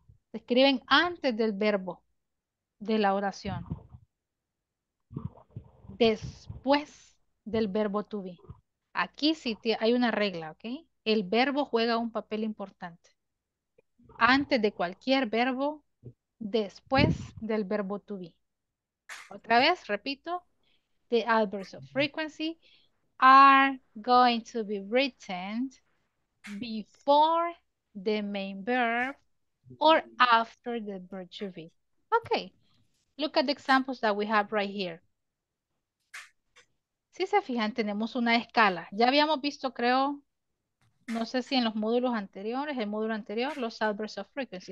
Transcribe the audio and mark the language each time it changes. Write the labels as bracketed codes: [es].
[es] Se escriben antes del verbo de la oración. Después del verbo to be. Aquí sí hay una regla, ¿ok? El verbo juega un papel importante. Antes de cualquier verbo, después del verbo to be. Otra vez, repito, [en] the adverbs of frequency are going to be written before the main verb or after the verb to be. Okay, look at the examples that we have right here. [es] Si se fijan, tenemos una escala. Ya habíamos visto, creo, no sé si en los módulos anteriores, el módulo anterior, los adverbs of frequency.